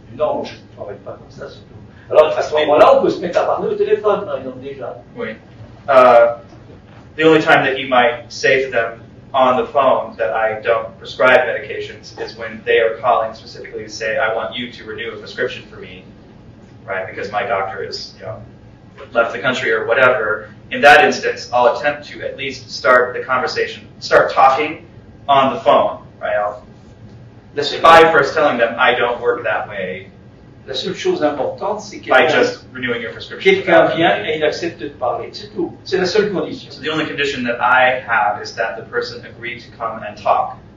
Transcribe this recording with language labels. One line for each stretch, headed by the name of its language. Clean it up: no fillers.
French: Non, je ne travaille pas comme ça, c'est tout. Alors, à ce moment-là, on peut se mettre à parler au téléphone, par exemple, déjà. Oui.
English: The only time that you might say to them on the phone that I don't prescribe medications is when they are calling specifically to say, I want you to renew a prescription for me, right, because my doctor is, you know, left the country or whatever. In that instance, I'll attempt to at least start the conversation, start talking on the phone, right? By first telling them I don't work that way.
French: La seule chose importante, c'est
English: by just renewing your prescription.
French: Quelqu'un vient et il accepte de parler, c'est tout. C'est la seule condition.
English: So the only condition that I have is that the person agreed to come and talk.